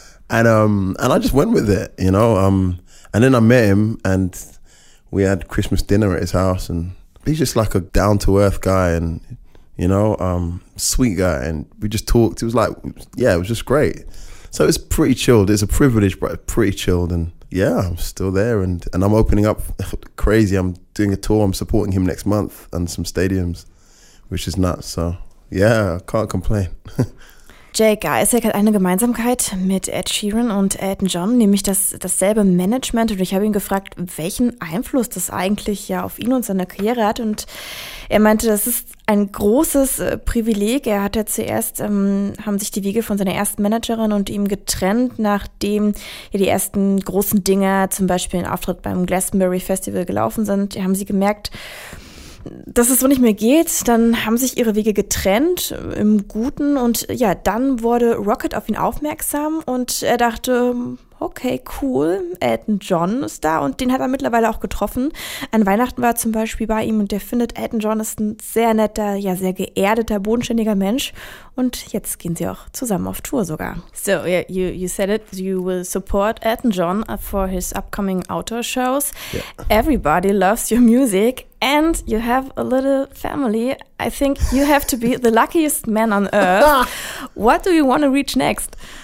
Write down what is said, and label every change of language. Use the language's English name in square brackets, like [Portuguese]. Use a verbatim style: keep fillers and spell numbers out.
[English] And um, and I just went with it, you know. Um, and then I met him, and we had Christmas dinner at his house, and he's just like a down-to-earth guy, and you know, um, sweet guy. And we just talked. It was like, yeah, it was just great. So it's pretty chilled. It's a privilege, but pretty chilled. And yeah, I'm still there, and and I'm opening up crazy. I'm doing a tour. I'm supporting him next month and some stadiums, which is nuts. So. Yeah, can't complain. [German] Jake Isaac hat eine Gemeinsamkeit mit Ed Sheeran und Elton John, nämlich das, dasselbe Management. Und ich habe ihn gefragt, welchen Einfluss das eigentlich ja auf ihn und seine Karriere hat. Und er meinte, das ist ein großes äh, Privileg. Er hatte zuerst, ähm, haben sich die Wege von seiner ersten Managerin und ihm getrennt, nachdem ja die ersten großen Dinger, zum Beispiel ein Auftritt beim Glastonbury Festival gelaufen sind, haben sie gemerkt, dass es so nicht mehr geht, dann haben sich ihre Wege getrennt im Guten und ja, dann wurde Rocket auf ihn aufmerksam und er dachte, okay, cool, Elton John ist da und den hat er mittlerweile auch getroffen. An Weihnachten war er zum Beispiel bei ihm und der findet, Elton John ist ein sehr netter, ja sehr geerdeter, bodenständiger Mensch und jetzt gehen sie auch zusammen auf Tour sogar. [English] So, yeah, you, you said it, you will support Elton John for his upcoming outdoor shows. Yeah. Everybody loves your music. And you have a little family. I think you have to be the luckiest man on earth. What do you want to reach next?